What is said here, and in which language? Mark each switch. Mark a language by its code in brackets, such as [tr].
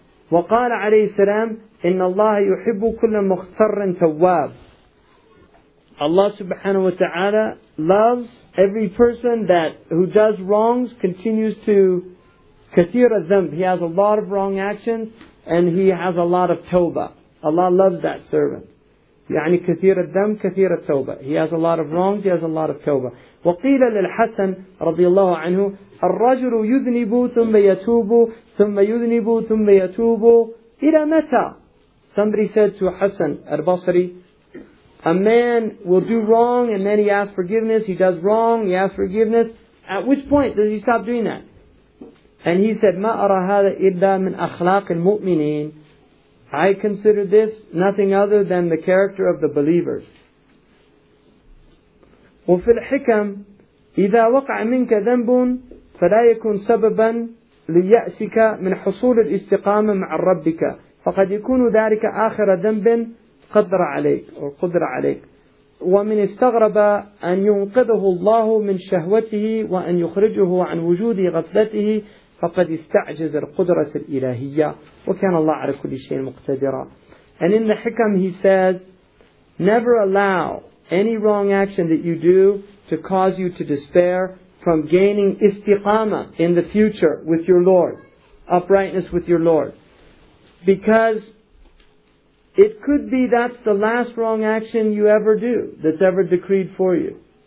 [ar] وَقَالَ عَلَيْهِ السَّلَامِ إِنَّ اللَّهَ يُحِبُّ كُلَّ مُخْتَرٍ تَوَّابٍ. [en] Allah subhanahu wa ta'ala loves every person that who does wrongs, continues to [ar] كثير الذنب. [en] He has a lot of wrong actions and he has a lot of tawbah. Allah loves that servant. [ar] يعني كثير الدم كثير التوبة. [en] He has a lot of wrongs, he has a lot of توبة. [ar] وقيل للحسن رضي الله عنه الرجل يذنب ثم يتوب ثم يذنب ثم يتوب إلى متى. [en] Somebody said to Hassan al-Basri, a man will do wrong and then he asks forgiveness, he does wrong, he asks forgiveness, at which point does he stop doing that? And he said, [ar] ما أرى هذا إلا من أخلاق المؤمنين. [en] I consider this nothing other than the character of the believers. [ar] وفي الحكم إذا وقع منك ذنب فلا يكون سببا ليأسك من حصول الاستقامة مع ربك فقد يكون ذلك آخر ذنب قدر عليك أو قدر عليك. ومن استغرب أن ينقذه الله من شهوته وأن يخرجه عن وجود غفلته فَقَدْ إِسْتَعْجَزَ الْقُدْرَةِ الْإِلَهِيَّةِ وَكَانَ اللَّهُ عَلَى كُلِّ شَيْءٍ مُقْتَدِرًا. [en] And in the Hikam he says, never allow any wrong action that you do to cause you to despair from gaining istiqama in the future with your Lord, uprightness with your Lord. Because it could be that's the last wrong action you ever do, that's ever decreed for you.